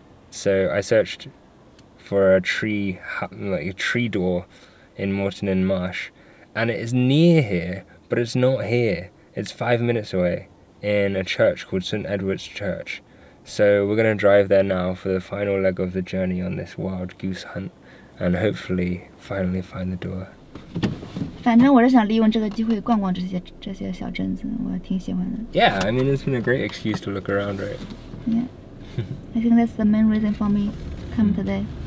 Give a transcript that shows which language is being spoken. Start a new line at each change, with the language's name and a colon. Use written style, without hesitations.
English: So I searched for a tree, like a tree door in Morton in marsh. And it is near here, but it's not here. It's 5 minutes away in a church called St. Edward's Church. So we're going to drive there now for the final leg of the journey on this wild goose hunt and hopefully finally find the door.
Chinese: 反正我是想利用这个机会逛逛这些小镇子，我挺喜欢的。
English: Yeah, I mean, it's been a great excuse to look around, right? Yeah. I think that's the main reason for me come today.